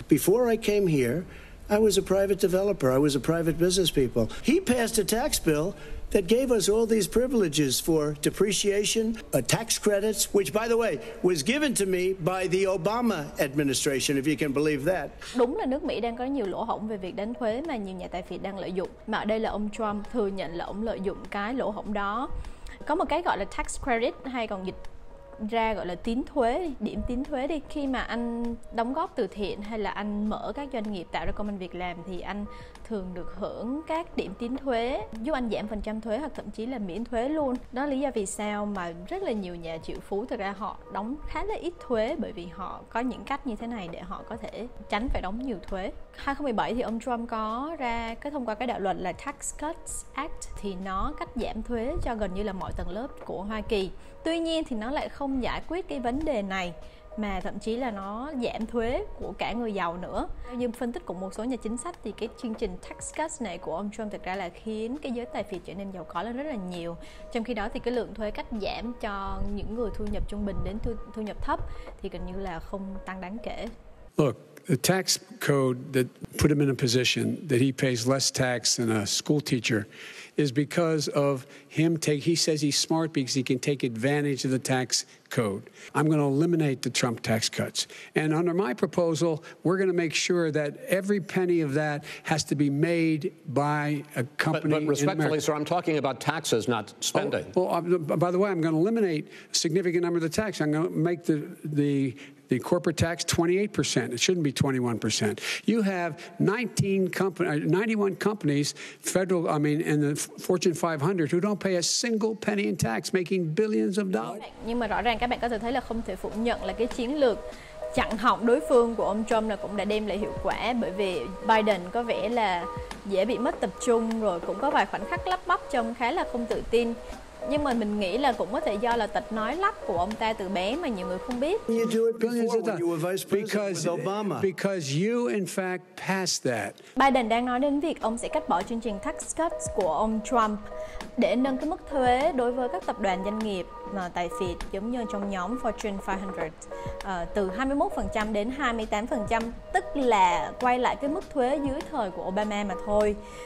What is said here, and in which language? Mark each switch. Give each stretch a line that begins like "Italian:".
English: Before I came here, I was a private developer. I was a private business people. He passed a tax bill that gave us all these privileges for depreciation, tax credits, which, by the way, was given to me by the Obama administration, if you can believe that.
Vietnamese: Đúng là nước Mỹ đang có nhiều lỗ hổng về việc đánh thuế mà nhiều nhà tài phiệt đang lợi dụng. Mà ở đây là ông Trump thừa nhận là ông lợi dụng cái lỗ hổng đó. Có một cái gọi là tax credit, hay còn dịch ra gọi là tín thuế, điểm tín thuế đi. Khi mà anh đóng góp từ thiện hay là anh mở các doanh nghiệp tạo ra công ăn việc làm thì anh thường được hưởng các điểm tín thuế giúp anh giảm phần trăm thuế hoặc thậm chí là miễn thuế luôn. Đó là lý do vì sao mà rất là nhiều nhà triệu phú thực ra họ đóng khá là ít thuế, bởi vì họ có những cách như thế này để họ có thể tránh phải đóng nhiều thuế. 2017 thì ông Trump có ra cái thông qua cái đạo luật là Tax Cuts Act, thì nó cắt giảm thuế cho gần như là mọi tầng lớp của Hoa Kỳ. Tuy nhiên thì nó lại không giải quyết cái vấn đề này, mà thậm chí là nó giảm thuế của cả người giàu nữa. Như phân tích của một số nhà chính sách thì cái chương trình tax cuts này của ông Trump thực ra là khiến cái giới tài phiệt trở nên giàu có lên rất là nhiều. Trong khi đó thì cái lượng thuế cắt giảm cho những người thu nhập trung bình đến thu nhập thấp thì gần như là không tăng đáng kể.
English: Look, the tax code that put him in a position that he pays less tax than a school teacher is because of him he says he's smart because he can take advantage of the tax code. I'm going to eliminate the Trump tax cuts. And under my proposal, we're going to make sure that every penny of that has to be made by a company. But respectfully, sir, I'm talking about taxes, not spending. Oh, well, by the way, I'm going to eliminate a significant number of the tax. I'm going to make the corporate tax 28%. It shouldn't be 21%. You have 91 companies, in the Fortune 500 who don't pay a single penny in tax, making billions of dollars.
Vietnamese: Nhưng mà rõ ràng các bạn có thể thấy là không thể phủ nhận là cái chiến lược chặn họng đối phương của ông Trump là cũng đã đem lại hiệu quả, bởi vì Biden có vẻ là dễ bị mất tập trung, rồi cũng có vài khoảnh khắc lắp bắp trông khá là không tự tin. Nhưng mà mình nghĩ là cũng có thể do là tật nói lắp của ông ta từ bé mà nhiều người không biết.
English: You do it before when you were vice president with Obama. Because you in fact passed that.
Vietnamese: Biden đang nói đến việc ông sẽ cắt bỏ chương trình tax cuts của ông Trump để nâng cái mức thuế đối với các tập đoàn doanh nghiệp tài phiệt giống như trong nhóm Fortune 500 từ 21% đến 28%, tức là quay lại cái mức thuế dưới thời của Obama mà thôi.